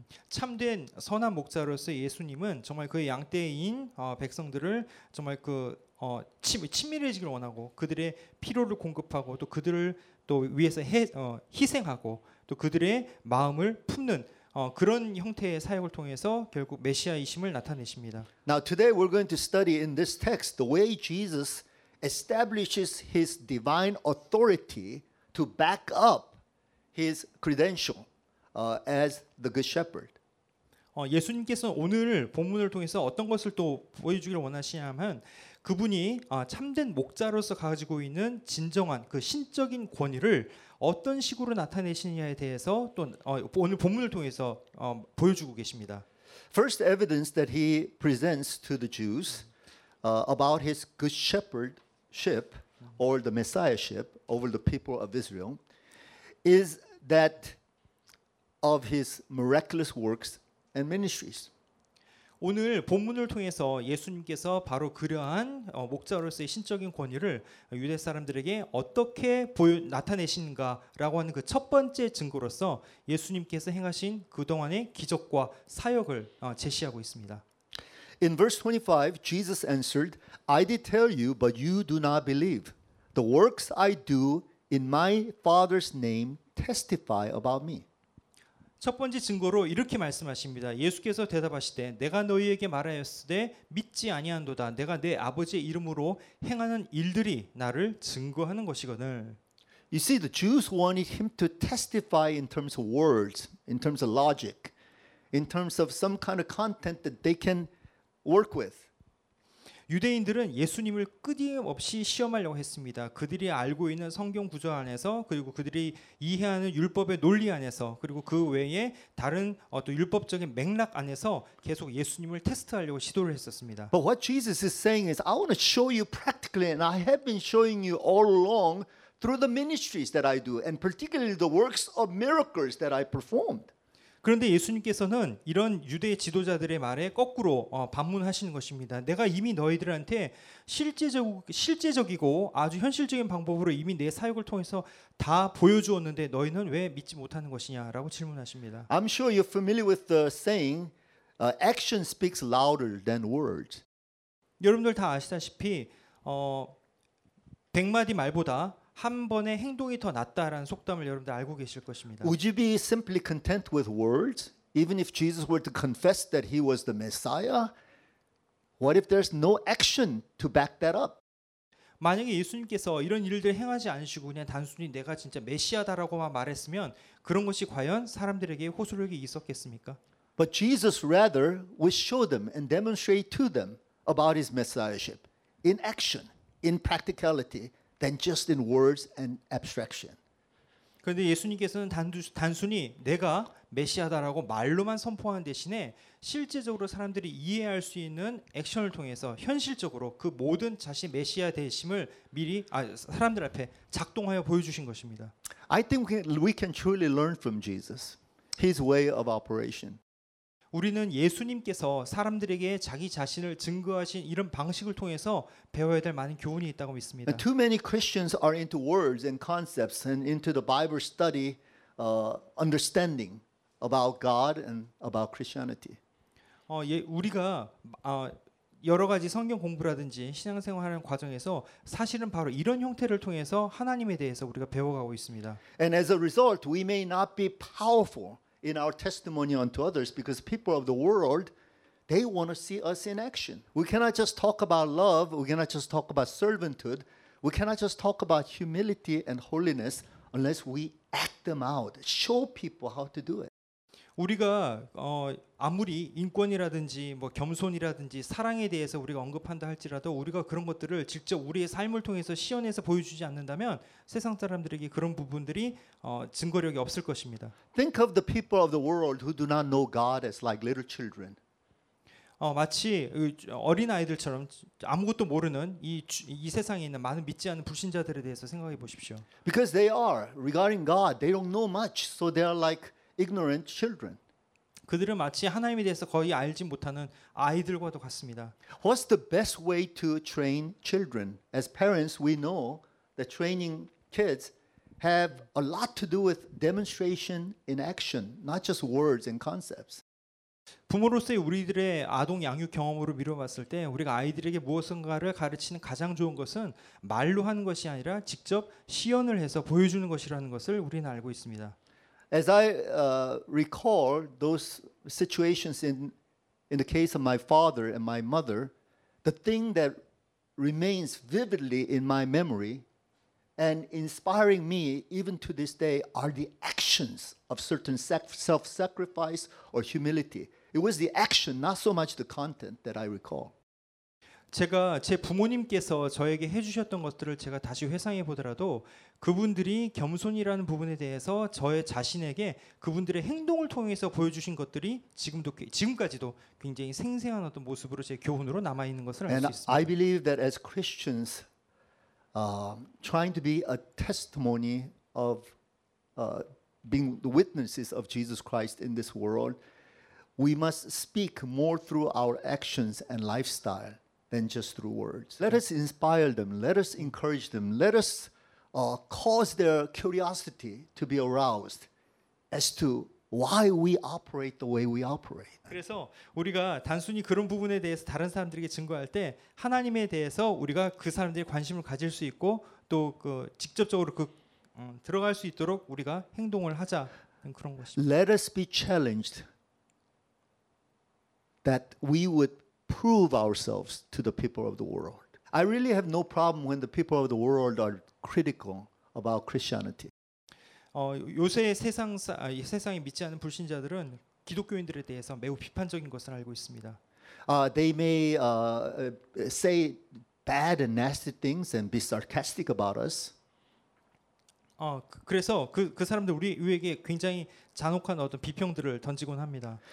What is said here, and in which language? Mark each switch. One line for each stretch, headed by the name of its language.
Korean: 참된 선한 목자로서 예수님은 정말 그의 양 떼인 백성들을 정말 그 친밀해지기를 원하고 그들의 필요를 공급하고 또 그들을 또 위해서 희생하고 또 그들의 마음을 품는 그런 형태의 사역을 통해서 결국 메시아이심을 나타내십니다.
English: Now today we're going to study in this text the way Jesus establishes his divine authority to back up His credential as the good shepherd.
Korean: 예수님께서 오늘 본문을 통해서 어떤 것을 또 보여주기를 원하시냐면 그분이 참된 목자로서 가지고 있는 진정한 그 신적인 권위를 어떤 식으로 나타내시냐에 대해서 또 오늘 본문을 통해서 보여주고 계십니다.
English: First evidence that he presents to the Jews about his good shepherdship or the messiahship over the people of Israel is that of his miraculous works and ministries.
Korean: 오늘 본문을 통해서 예수님께서 바로 그러한 목자로서의 신적인 권위를 유대 사람들에게 어떻게 나타내신가라고 하는 그 첫 번째 증거로서 예수님께서 행하신 그동안의 기적과 사역을 제시하고 있습니다.
English: In verse 25, Jesus answered, I did tell you, but you do not believe. The works I do in my Father's name testify about me.
Korean: 첫 번째 증거로 이렇게 말씀하십니다. 예수께서 대답하시되 내가 너희에게 말하였으되 믿지 아니한도다. 내가 내 아버지의 이름으로 행하는 일들이 나를 증거하는 것이거늘.
English: You see, the Jews wanted him to testify in terms of words, in terms of logic, in terms of some kind of content that they can work with.
Korean: 유대인들은 예수님을 끊임없이 시험하려고 했습니다. 그들이 알고 있는 성경 구조 안에서 그리고 그들이 이해하는 율법의 논리 안에서 그리고 그 외에 다른 어떤 율법적인 맥락 안에서 계속 예수님을 테스트하려고 시도를 했었습니다.
English: But what Jesus is saying is I want to show you practically and I have been showing you all along through the ministries that I do and particularly the works of miracles that I performed.
Korean: 그런데 예수님께서는 이런 유대 지도자들의 말에 거꾸로 반문하시는 것입니다. 내가 이미 너희들한테 실제적이고 아주 현실적인 방법으로 이미 내 사역을 통해서 다 보여주었는데 너희는 왜 믿지 못하는 것이냐라고 질문하십니다.
English: I'm sure you're familiar with the saying, action speaks louder than words.
Korean: 여러분들 다 아시다시피 100마디 말보다 한 번의 행동이 더 낫다라는 속담을 여러분들 알고 계실 것입니다.
English: Would you be simply content with words, even if Jesus were to confess that he was the Messiah? What if there's no action to back that up?
Korean: 만약에 예수님께서 이런 일들을 행하지 않으시고 그냥 단순히 내가 진짜 메시아다라고만 말했으면 그런 것이 과연 사람들에게 호소력이 있었겠습니까?
English: But Jesus rather would show them and demonstrate to them about his messiahship in action, in practicality. Than just in words and abstraction.
Korean: 그런데 예수님께서는 단순히 내가 메시아다라고 말로만 선포하는 대신에 실제적으로 사람들이 이해할 수 있는 액션을 통해서 현실적으로 그 모든 자신 메시아 되심을 미리 사람들 앞에 작동하여 보여주신 것입니다.
English: I think we can truly learn from Jesus, his way of operation.
Korean: 우리는 예수님께서 사람들에게 자기 자신을 증거하신 이런 방식을 통해서 배워야 될 많은 교훈이 있다고 믿습니다.
English: Too many Christians are into words and concepts and into the Bible study understanding about God and about Christianity.
Korean: 우리가 여러 가지 성경 공부라든지 신앙생활하는 과정에서 사실은 바로 이런 형태를 통해서 하나님에 대해서 우리가 배워가고 있습니다.
English: And as a result, we may not be powerful in our testimony unto others because people of the world, they want to see us in action. We cannot just talk about love. We cannot just talk about servanthood. We cannot just talk about humility and holiness unless we act them out, show people how to do it.
Korean: 우리가 아무리 인권이라든지 뭐 겸손이라든지 사랑에 대해서 우리가 언급한다 할지라도 우리가 그런 것들을 직접 우리의 삶을 통해서 시연해서 보여주지 않는다면 세상 사람들에게 그런 부분들이 증거력이 없을 것입니다.
English: Think of the people of the world who do not know God as like little children.
Korean: 마치 어린 아이들처럼 아무것도 모르는 이 세상에 있는 많은 믿지 않는 불신자들에 대해서 생각해 보십시오.
English: Because they are regarding God, they don't know much, so they are like ignorant children.
Korean: 그들은 마치 하나님에 대해서 거의 알지 못하는 아이들과도 같습니다.
English: What's the best way to train children? As parents, we know that training kids have a lot to do with demonstration in action, not just words and concepts.
Korean: 부모로서의 우리들의 아동 양육 경험으로 미뤄봤을 때 우리가 아이들에게 무엇인가를 가르치는 가장 좋은 것은 말로 하는 것이 아니라 직접 시연을 해서 보여주는 것이라는 것을 우리는 알고 있습니다.
English: As I recall those situations in the case of my father and my mother, the thing that remains vividly in my memory and inspiring me even to this day are the actions of certain self-sacrifice or humility. It was the action, not so much the content that I recall.
Korean: 제가 제 부모님께서 저에게 해주셨던 것들을 제가 다시 회상해 보더라도 그분들이 겸손이라는 부분에 대해서 저의 자신에게 그분들의 행동을 통해서 보여주신 것들이 지금까지도 굉장히 생생한 어떤 모습으로 제 교훈으로 남아 있는 것을 알 수 있습니다.
English: And I believe that as Christians, trying to be a testimony of being the witnesses of Jesus Christ in this world, we must speak more through our actions and lifestyle than just through words. Let us inspire them. Let us encourage them. Let us cause their curiosity to be aroused as to why we operate the way we operate.
Korean: 그래서 우리가 단순히 그런 부분에 대해서 다른 사람들에게 증거할 때 하나님에 대해서 우리가 그 사람들의 관심을 가질 수 있고 또 그 직접적으로 그 들어갈 수 있도록 우리가 행동을 하자 그런 것입니다.
English: Let us be challenged that we would prove ourselves to the people of the world. I really have no problem when the people of the world are critical about Christianity.
Korean: 요새 세상에 믿지 않는 불신자들은 기독교인들에 대해서 매우 비판적인 것을 알고 있습니다.
English: They may say bad and nasty things and be sarcastic about us.
Korean: 그래서 그 사람들 우리에게 굉장히 잔혹한 어떤 비평들을 던지곤 합니다.